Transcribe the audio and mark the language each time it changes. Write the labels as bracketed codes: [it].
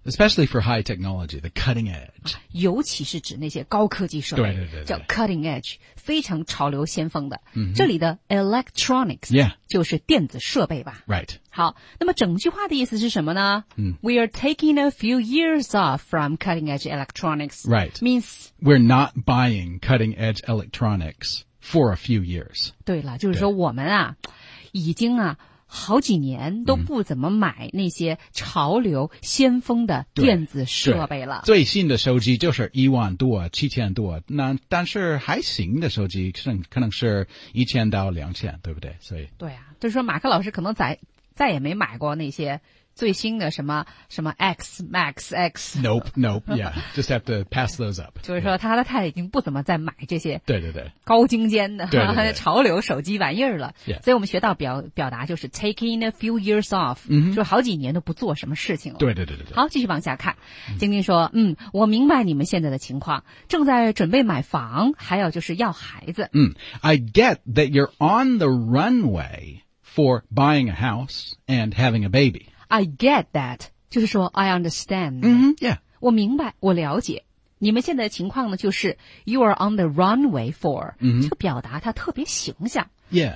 [en] Especially for high technology, the cutting edge.、 [zh] 尤其是指那些高科技设备。对对 对, 对。叫 cutting edge, 非常潮流先锋的。 Mm-hmm. 这里的 electronics. [en] Yeah. [zh] 就是电子设备吧。 [en] Right. [zh] 好，那么整句话的意思是什么呢、嗯、 [en] We are taking a few years off from cutting edge electronics. Right. Means we're not buying cutting edge electronics for a few years. [zh] 对了，就是说我们啊已经啊好几年都不怎么买那些潮流先锋的电子设备了。最新的手机就是10000多、7000多，那但是还行的手机是可能是1000到2000，对不对？所以对啊，就是说马克老师可能再也没买过那些最新的什么什么 X, Max, X. [en] Nope, nope, yeah. Just have to pass those up. [zh] 就是说他已经不怎么再买这些对对对高精尖的对对对潮流手机玩意儿了。 [en] Yeah. [zh] 所以我们学到表达就是 taking a few years off,、 mm-hmm. 就是好几年都不做什么事情了。对对对对对。好，继续往下看。晶晶说我明白你们现在的情况，正在准备买房，还有就是要孩子。 [en] I get that you're on the runway. For buying a house and having a baby. I get that. [zh] 就是说 [en] I understand. Mm-hmm, yeah. [zh] 我明白我了解。你们现在的情况呢就是 [en] you are on the runway for.、 Mm-hmm. [zh] 这个表达它特别形象。 [en] Yeah.